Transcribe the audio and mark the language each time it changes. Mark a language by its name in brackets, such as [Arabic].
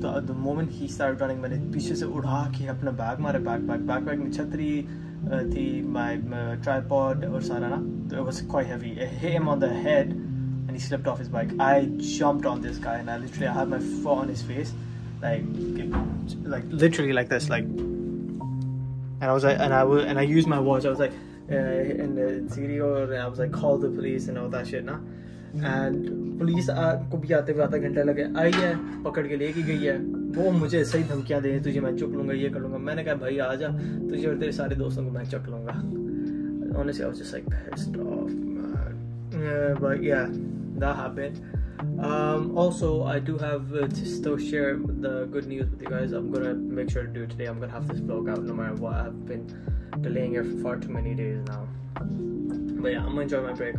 [English] The moment he started running, [Hindi] मैंने पीछे से उड़ा के अपना bag मारा backpack में छतरी थी, [English] my tripod [Hindi] और सारा ना. [English] It was quite heavy. It hit him on the head and he slipped off his bike. I jumped on this guy and I had my foot on his face, like literally like this, like. And I was like, and I used my watch. I was like, in the Siri, or I was like, call the police and all that shit, nah. [Hindi] और police को भी आते हुए आधा घंटा लगा, आई है पकड़ के लेके गई है, वो मुझे ऐसे ही धमकियाँ दे रही है, तुझे मैं चुक लूँगा, ये कर लूँगा. मैंने कहा भाई आ जा, तुझे और तेरे सारे दोस्तों को मैं चुक लूँगा. [English] Honestly, I was just like pissed off, man. But yeah, that happened. Also, I do have to still share the good news with you guys. I'm gonna make sure to do it today. I'm gonna have this vlog out no matter what. I've been delaying here for far too many days now. But yeah, I'm gonna enjoy my break.